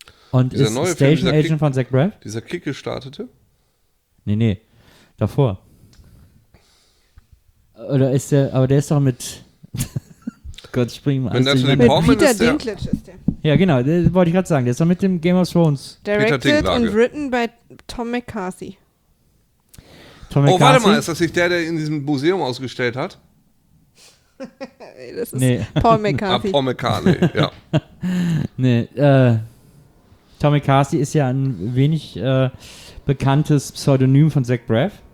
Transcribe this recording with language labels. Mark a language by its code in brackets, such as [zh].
[de] Und dieser ist neue Station Film, Agent Kick, von Zach Braff? Dieser Kick gestartete? Nee. Davor. Oder ist der... Aber der ist doch mit... Gott, spring mal. Wenn das mit Peter ist der. Dinklage ist der. Ja, genau, das wollte ich gerade sagen. Der ist doch mit dem Game of Thrones. [en] Directed and written by Tom McCarthy. [de] Tom McCarthy? Oh, warte mal, ist das nicht der in diesem Museum ausgestellt hat? Das ist nee. Paul McCarthy. Ah, Paul McCarthy, ja. Nee, Tom McCarthy ist ja ein wenig bekanntes Pseudonym von Zach Braff.